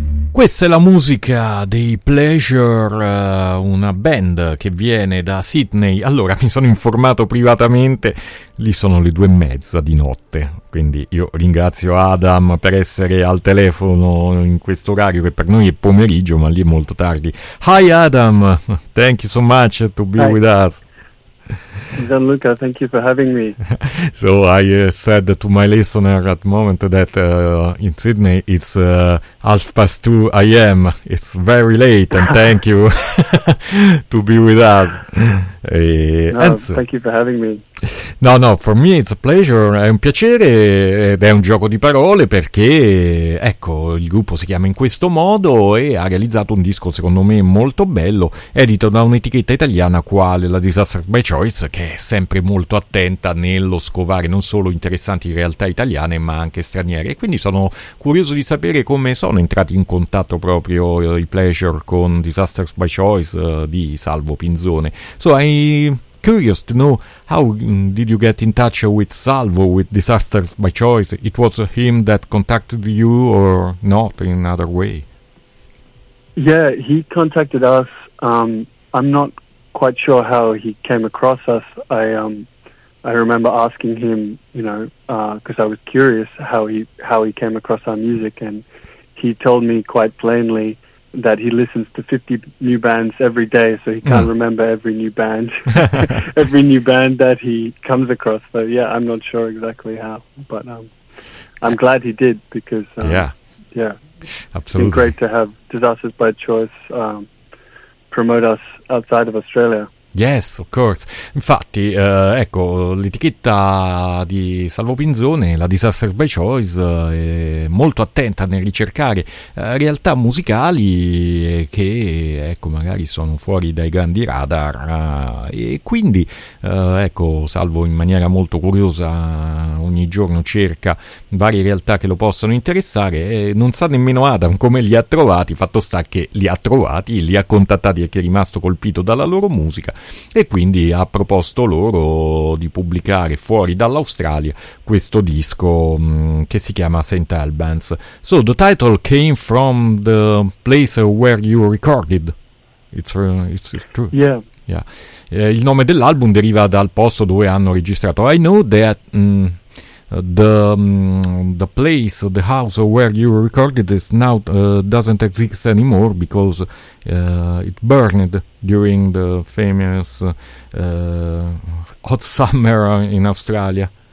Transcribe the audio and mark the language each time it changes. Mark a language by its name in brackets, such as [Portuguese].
[Italian] Questa è la musica dei Pleasure, una band che viene da Sydney. Allora, mi sono informato privatamente, lì sono le 2:30 di notte, quindi io ringrazio Adam per essere al telefono in questo orario, che per noi è pomeriggio, ma lì è molto tardi. [English] Hi Adam, thank you so much to be with us. Gianluca, thank you for having me. So I said to my listener at the moment that in Sydney it's 2:30 a.m. It's very late, and thank you to be with us. Thank you for having me. No, for me it's a pleasure, [Italian] è un piacere ed è un gioco di parole, perché ecco, il gruppo si chiama in questo modo e ha realizzato un disco secondo me molto bello, edito da un'etichetta italiana quale la Disaster by Choice, che è sempre molto attenta nello scovare non solo interessanti realtà italiane ma anche straniere, e quindi sono curioso di sapere come sono entrati in contatto proprio i Pleasure con Disaster by Choice di Salvo Pinzone. [English] So I'm curious to know, how did you get in touch with Salvo, with Disaster by Choice? It was him that contacted you, or not in another way? Yeah, he contacted us. I'm not quite sure how he came across us. I remember asking him, you know, because I was curious how he came across our music, and he told me quite plainly that he listens to 50 new bands every day, so he can't remember every new band every new band that he comes across. So yeah, I'm not sure exactly how, but I'm glad he did, because absolutely, it's been great to have Disaster by Choice promote us outside of Australia. Yes, of course. [Italian] Infatti, ecco, l'etichetta di Salvo Pinzone, la Disaster by Choice, è molto attenta nel ricercare realtà musicali che, ecco, magari sono fuori dai grandi radar. E quindi, ecco, Salvo in maniera molto curiosa ogni giorno cerca varie realtà che lo possano interessare, e non sa nemmeno Adam come li ha trovati. Fatto sta che li ha trovati, li ha contattati e che è rimasto colpito dalla loro musica, e quindi ha proposto loro di pubblicare fuori dall'Australia questo disco che si chiama St. Albans. [English] So the title came from the place where you recorded. It's true. Yeah. [Italian] Il nome dell'album deriva dal posto dove hanno registrato. [English] I know that the place, the house where you recorded is now doesn't exist anymore, because it burned during the famous hot summer in Australia.